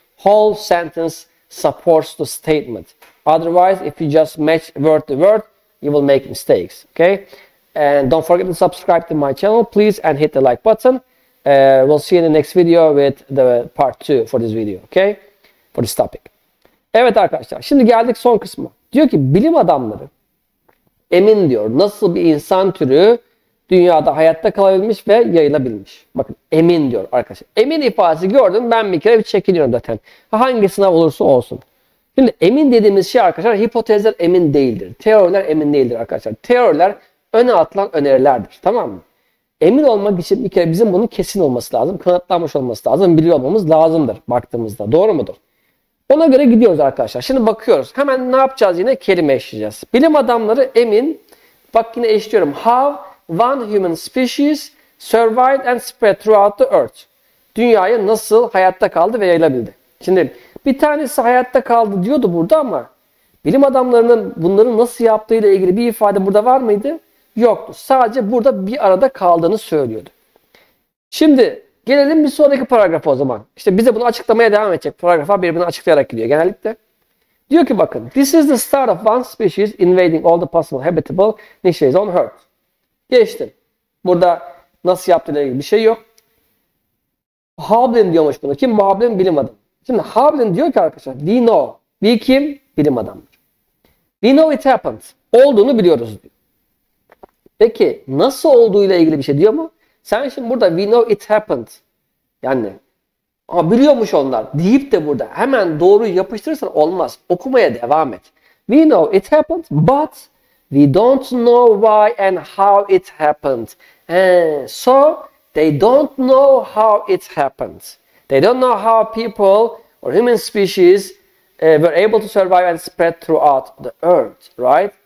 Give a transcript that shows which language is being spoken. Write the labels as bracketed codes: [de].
[en] Whole sentence supports the statement. Otherwise, if you just match word to word, you will make mistakes, okay? And don't forget to subscribe to my channel, please, and hit the like button. We'll see you in the next video with the part 2 for this video, okay? For this topic. [tr] Evet arkadaşlar, şimdi geldik son kısma. Diyor ki, bilim adamları emin diyor, nasıl bir insan türü dünyada hayatta kalabilmiş ve yayılabilmiş. Bakın, emin diyor arkadaşlar. Emin ifadesi gördüm, ben bir kere bir çekiniyorum zaten. Hangi sınav olursa olsun. Şimdi emin dediğimiz şey arkadaşlar, hipotezler emin değildir. Teoriler emin değildir arkadaşlar. Teoriler öne atılan önerilerdir. Tamam mı? Emin olmak için bir kere bizim bunu kesin olması lazım. Kanıtlanmış olması lazım. Biliyor olmamız lazımdır baktığımızda. Doğru mudur? Ona göre gidiyoruz arkadaşlar. Şimdi bakıyoruz. Hemen ne yapacağız yine? Kelime eşleyeceğiz. Bilim adamları emin. Bak yine eşliyorum. [en] How one human species survived and spread throughout the earth. [tr] Dünyaya nasıl hayatta kaldı ve yayılabildi? Şimdi bir tanesi hayatta kaldı diyordu burada ama bilim adamlarının bunları nasıl yaptığıyla ilgili bir ifade burada var mıydı? Yoktu. Sadece burada bir arada kaldığını söylüyordu. Şimdi gelelim bir sonraki paragrafa o zaman. İşte bize bunu açıklamaya devam edecek. Paragraflar birbirini açıklayarak gidiyor genellikle. Diyor ki bakın. [en] This is the start of one species invading all the possible habitable niches on Earth. [tr] Geçtim. Burada nasıl yaptığıyla ilgili bir şey yok. Hablin diyormuş bunu. Kim bu Hablin? Bilim adamı. Şimdi Hablin diyor ki arkadaşlar. [en] We know. [tr] We kim? Bilim adamı. [en] We know it happened. [tr] Olduğunu biliyoruz diyor. Peki nasıl olduğuyla ilgili bir şey diyor mu? Sen şimdi burada [en] we know it happened. [tr] Yani biliyormuş onlar deyip de burada hemen doğruyu yapıştırırsan olmaz. Okumaya devam et. [en] We know it happened but we don't know why and how it happened. So they don't know how it happened. They don't know how people or human species were able to survive and spread throughout the earth. Right?